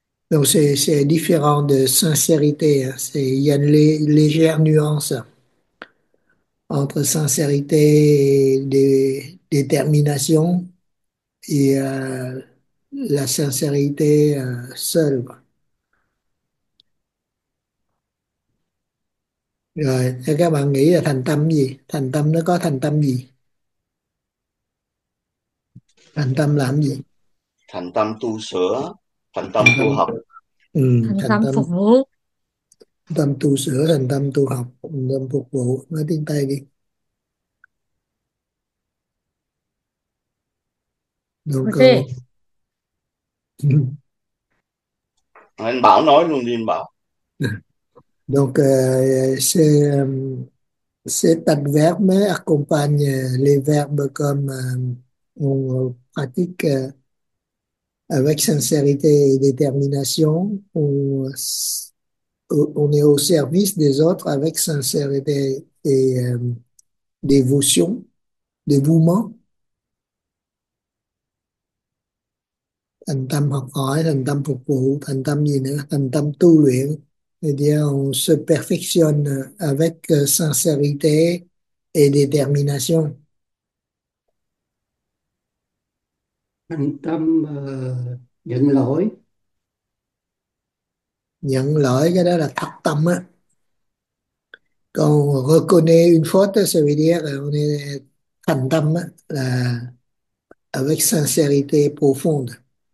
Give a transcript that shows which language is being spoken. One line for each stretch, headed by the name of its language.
French: Donc c'est différent de sincérité, c'est il y a une légère nuance entre sincérité et détermination et la sincérité seule.
Vietnamese: Rồi, thế các bạn nghĩ là thành tâm gì? Thành tâm nó có thành tâm gì? Thành tâm làm gì? Thành tâm tu sửa, thành tâm Thành tu tâm, học. thành tâm phục vụ. Thành tâm tu sửa, thành tâm tu học, thành tâm phục vụ, nói tiếng Tây đi. Đâu cơ Ok. bông. Anh Bảo nói luôn đi anh Bảo.
French: Donc c'est un verbe accompagne les verbes comme on pratique avec sincérité et détermination, on est au service des autres avec sincérité et dévotion, dévouement.
Vietnamese: Thành tâm học hỏi, thành tâm phục vụ, thành tâm gì nữa, thành tâm tu luyện.
French: On se perfectionne avec sincérité et détermination.
Vietnamese: Thành tâm nhận lỗi. Nhận lỗi, cái đó là thật tâm á. Còn
French: reconnaître une faute, ça veut dire on est
Vietnamese: thành tâm á,
French: là avec sincérité profonde.